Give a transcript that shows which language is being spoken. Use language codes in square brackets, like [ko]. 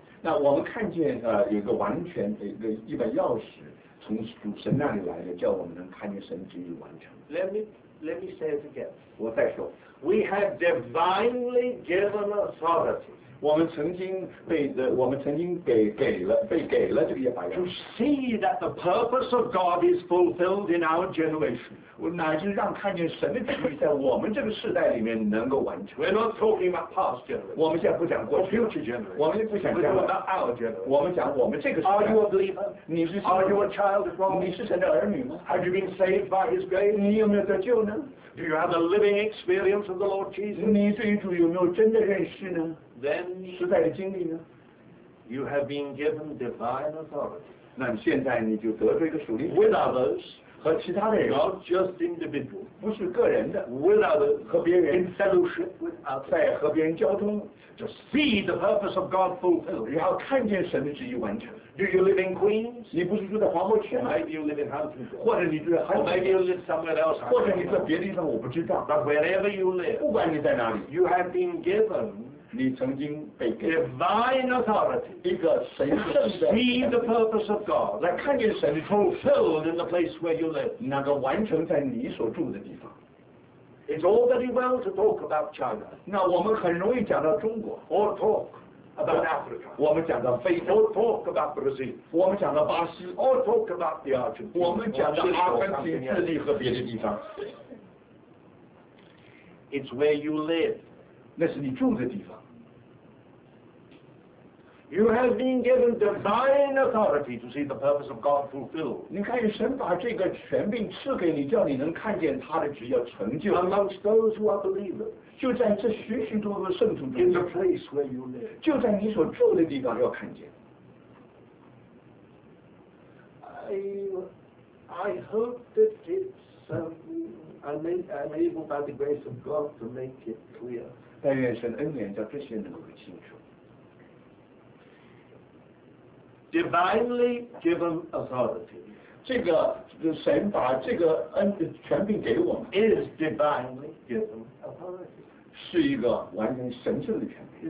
[zh] 那我们看见有个完全一把钥匙从主神那里来的，叫我们能看见神旨意完成。 [en] Let me say it again. [zh] 我再说。 [en] We have divinely given authority. [zh] 我们曾经被给了这个一把钥匙。 [en] To see that the purpose of God is fulfilled in our generation. [zh] 乃是让看见神的旨意在我们这个世代里面能够完成。 [en] We're not talking about past generation. [zh] 我们现在不讲过去。 [en] Or future generation. [zh] 我们不想讲。 [en] We're talking about our generation. [zh] 我们讲我们这个世代。 [en] Are you a believer? [zh] 你是。 [en] Are you a child of God? [zh] 你是神的儿女吗 [en] ？Have you been saved by His grace? [zh] 你有没有得救呢 [en] ？Do you have a living experience of the Lord Jesus? [zh] 你对于主有没有真的认识呢 [en] ？Then [zh] 实在的经历呢 [en] ？You have been given divine authority. [zh] 那现在你就得罪一个属灵。 [en] With others. [zh] 和其他的人 [en] not just individual, [zh] 不是个人的 [en] without [zh] 和别人 [en] in fellowship with others, [zh] 在和别人交通 [en] to see the purpose of God fulfilled, [zh] 然后看见神的旨意完成。 [en] Do you live in Queens? [zh] 你不是住在黄浦区吗？ [en] Maybe you live in Hampton. [zh] 或者你住在 Hampton. [en] Or maybe you live somewhere else. [zh] 或者你住在别的地方，我不知道。 [en] But wherever you live, [zh] 不管你在哪里， [en] you have been given, [zh] 你曾经被给 [en] divine authority, [zh] 一个神圣的 [en] to see the purpose of God, [zh] 来看见神的 [en] fulfilled in the place where you live, [zh] 那个完成在你所住的地方。 [en] It's all very well to talk about China. [zh] 那我们很容易讲到中国。 [en] Or talk. About Africa, [zh] 我们讲到非洲 [en] or talk about Brazil, [zh] 我们讲到巴西 [en] or talk about the Argentina, [zh] 我们讲到阿根廷、智利和别的地方。 [en] It's where you live, [zh] 那是你住的地方。 [en] You have been given divine authority to see the purpose of God fulfilled. [zh] 你看，神把这个权柄赐给你，叫你能看见他的旨意成就。 [en] Amongst those who are believers, [zh] 就在这许许多多圣徒中 [en] 间。In the place where you live, [zh] 就在你所住的地方要看见。 [en] I hope that it's I'm able by the grace of God to make it clear. [zh] 但愿神恩典叫这些能够清楚。 [en] Divinely given authority. [zh] 这个神把这个恩的权柄给我们。 [en] Is divinely given authority. [zh] 是一个完全神圣的权柄。